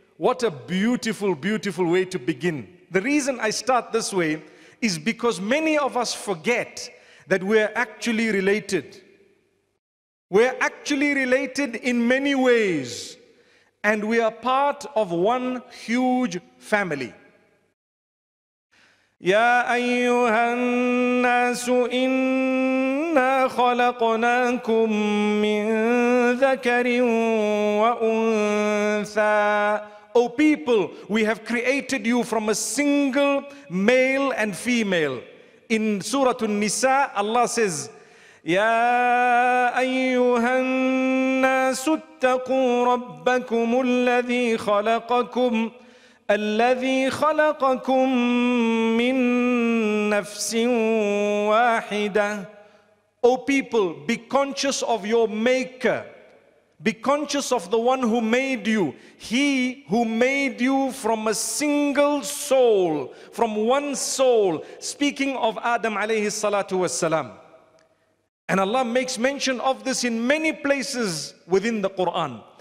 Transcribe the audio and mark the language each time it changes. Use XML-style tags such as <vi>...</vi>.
<en>What a beautiful, beautiful way to begin. The reason I start this way is because many of us forget that we are actually related. We are actually related in many ways. And we are part of one huge family.</en> <ar>يا أيها الناس إنا خلقناكم من ذكر وأنثى.</ar> <en>O people, we have created you from a single male and female. In Surah An-Nisa, Allah says,</en> <ar>يا أيها الناس اتقوا ربكم الذي خلقكم الذي خلقكم من نفس واحدة.</ar> <en>O people, be conscious of your maker. Be conscious of the one who made you. He who made you from a single soul, from one soul. Speaking of Adam alayhi salatu wassalam. And Allah makes mention of this in many places within the Quran.</en>